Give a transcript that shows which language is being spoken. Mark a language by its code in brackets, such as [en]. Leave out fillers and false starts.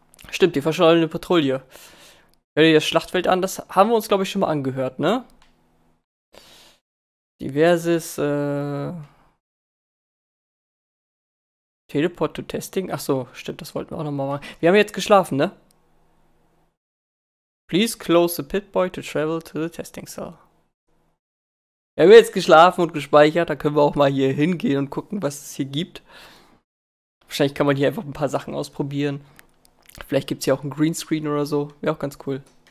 [de] Stimmt, die verschollene Patrouille. Hör dir das Schlachtfeld an. Das haben wir uns, glaube ich, schon mal angehört, ne? Diverses, Teleport-to-Testing? Ach so, stimmt, das wollten wir auch nochmal machen. Wir haben jetzt geschlafen, ne? [en] Please close the pit boy to travel to the testing cell. [de] Wir haben jetzt geschlafen und gespeichert, da können wir auch mal hier hingehen und gucken, was es hier gibt. Wahrscheinlich kann man hier einfach ein paar Sachen ausprobieren. Vielleicht gibt es hier auch einen Greenscreen oder so. Wäre auch ganz cool.